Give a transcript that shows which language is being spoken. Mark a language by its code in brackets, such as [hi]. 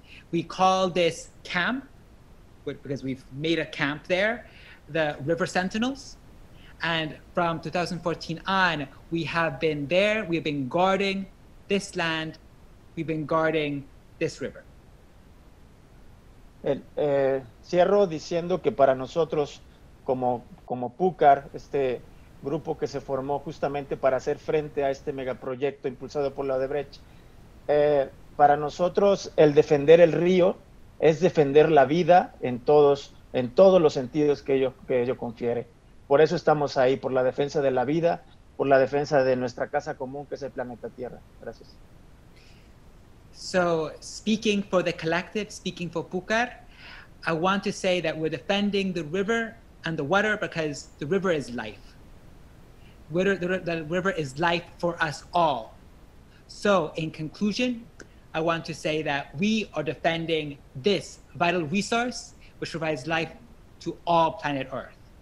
[en] We call this camp, because we've made a camp there, the River Sentinels. And from 2014 on, we have been there, we have been guarding this land, we've been guarding this river. [es] Cierro diciendo que para nosotros, como Pucar, este grupo que se formó justamente para hacer frente a este megaproyecto impulsado por la Odebrecht, para nosotros el defender el río es defender la vida en todos los sentidos que ello confiere. Por eso estamos ahí, por la defensa de la vida, por la defensa de nuestra casa común, que es el planeta Tierra. Gracias. [en] So, speaking for the collective, speaking for Pucar, I want to say that we're defending the river and the water because the river is life. The river is life for us all. So, in conclusion, I want to say that we are defending this vital resource which provides life to all planet Earth.